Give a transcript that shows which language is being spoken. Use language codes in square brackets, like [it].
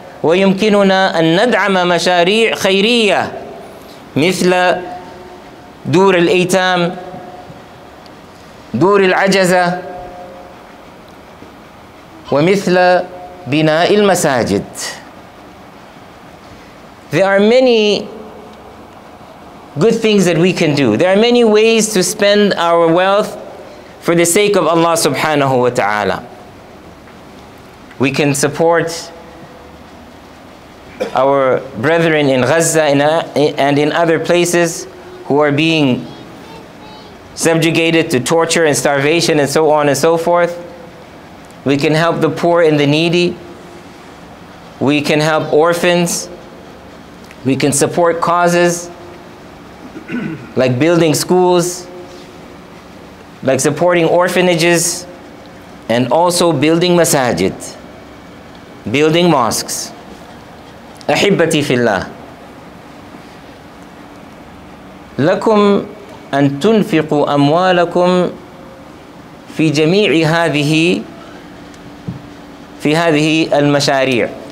[ar] ويمكننا أن ندعم مشاريع خيرية مثل دور الأيتام دور العجزة ومثل بناء المساجد. [en] There are many good things that we can do. There are many ways to spend our wealth for the sake of Allah [ar] subhanahu wa ta'ala. [en] We can support our brethren in Gaza and in other places who are being subjugated to torture and starvation and so on and so forth. We can help the poor and the needy. We can help orphans. We can support causes like building schools, like supporting orphanages, and also building masajid, building mosques. [ar] أحبتي في الله لكم أن تنفقوا أموالكم في جميع هذه في هذه المشاريع.